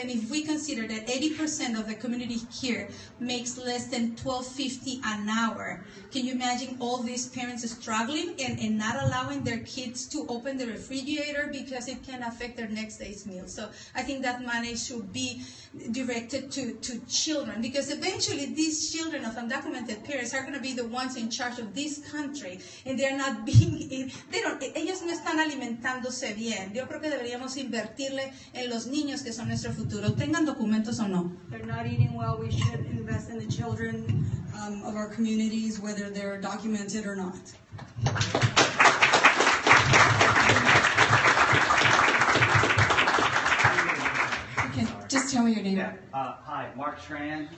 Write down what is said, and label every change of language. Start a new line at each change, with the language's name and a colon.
English: And if we consider that 80% of the community here makes less than $12.50 an hour, can you imagine all these parents struggling and not allowing their kids to open the refrigerator because it can affect their next day's meal? So I think that money should be directed to children, because eventually these children of undocumented parents are going to be the ones in charge of this country, and they're not being, they don't,
Spanish: ellos no están alimentándose bien. Yo creo que deberíamos invertirle en los niños que son nuestro futuro, tengan documentos o no.
English: They're not eating well. We should invest in the children of our communities, whether they're documented or not. Okay, just tell me your name. Hi, Mark Tran.